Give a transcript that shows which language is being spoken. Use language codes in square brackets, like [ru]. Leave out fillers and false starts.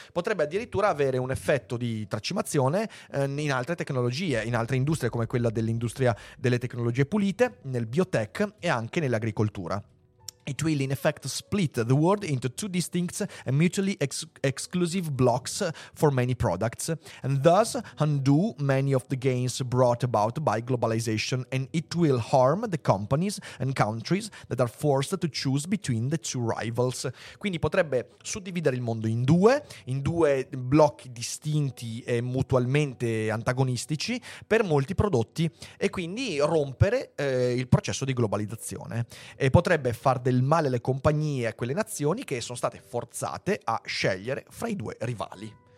[it] Potrebbe addirittura avere un effetto di tracimazione in altre tecnologie, in altre industrie come quella dell'industria delle tecnologie pulite, nel biotech e anche nell'agricoltura. [en] It will in effect split the world into two distinct and mutually exclusive blocks for many products, and thus undo many of the gains brought about by globalization, and it will harm the companies and countries that are forced to choose between the two rivals. [it] Quindi potrebbe suddividere il mondo in due blocchi distinti e mutualmente antagonistici per molti prodotti e quindi rompere il processo di globalizzazione e potrebbe far del male le compagnie e quelle nazioni che sono state forzate a scegliere fra i due rivali.